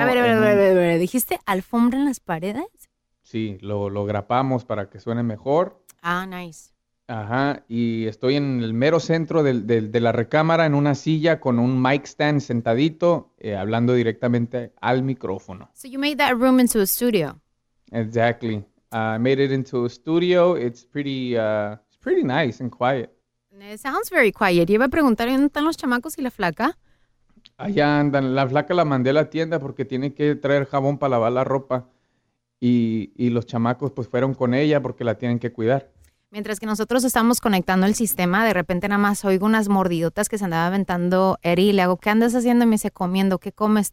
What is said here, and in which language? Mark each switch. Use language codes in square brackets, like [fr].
[es] A ver. ¿Dijiste alfombra en las paredes? Sí, lo grapamos para que suene mejor. [en] Ah, nice. Ajá. [es] Y estoy en el mero centro de la recámara, en una silla con un [en] mic stand [es] sentadito, hablando directamente al micrófono. [en] So you made that room into a studio. Exactly. I made it into a studio. It's pretty nice and quiet. It sounds very quiet. [es] Iba a preguntar, ¿dónde están los chamacos y la flaca? Allá andan, la flaca la mandé a la tienda porque tiene que traer jabón para lavar la ropa. Y los chamacos pues fueron con ella porque la tienen que cuidar. Mientras que nosotros estamos conectando el sistema, de repente nada más oigo unas mordidotas que se andaba aventando Eri y le hago, ¿qué andas haciendo? Y me dice, comiendo, ¿qué comes?